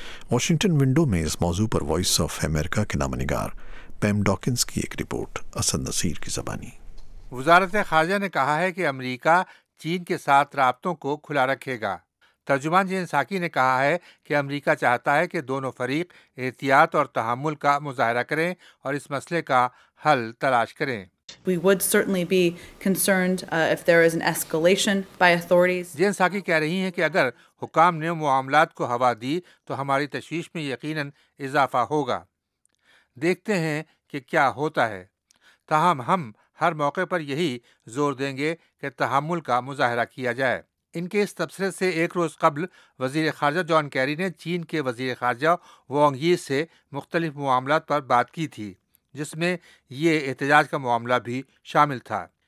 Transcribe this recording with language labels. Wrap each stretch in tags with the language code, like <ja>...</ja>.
<ur>Washington window میں اس موضوع پر voice of America کے نامہ نگار پیم ڈاکنز کی ایک رپورٹ اسد نصیر کی زبانی. وزارت خارجہ نے کہا ہے کہ امریکہ چین کے ساتھ رابطوں کو کھلا رکھے گا. ترجمان جین ساکی نے کہا ہے کہ امریکہ چاہتا ہے کہ دونوں فریق احتیاط اور تحمل کا مظاہرہ کریں اور اس مسئلے کا حل تلاش کریں.</ur> <en>We would certainly be concerned if there is an escalation by authorities.</en> <ur>Jain ساکی کہہ رہی ہیں کہ اگر حکام نے معاملات کو ہوا دی تو ہماری تشویش میں یقیناً اضافہ ہوگا. دیکھتے ہیں کہ کیا ہوتا ہے. تاہم ہم ہر موقع پر یہی زور دیں گے کہ تحمل کا مظاہرہ کیا جائے. ان کے اس تبصرے سے ایک روز قبل وزیر خارجہ جان کیری نے چین کے وزیر خارجہ وانگ یی سے مختلف معاملات پر بات کی تھی، جس میں یہ احتجاج کا معاملہ بھی شامل تھا.</ur>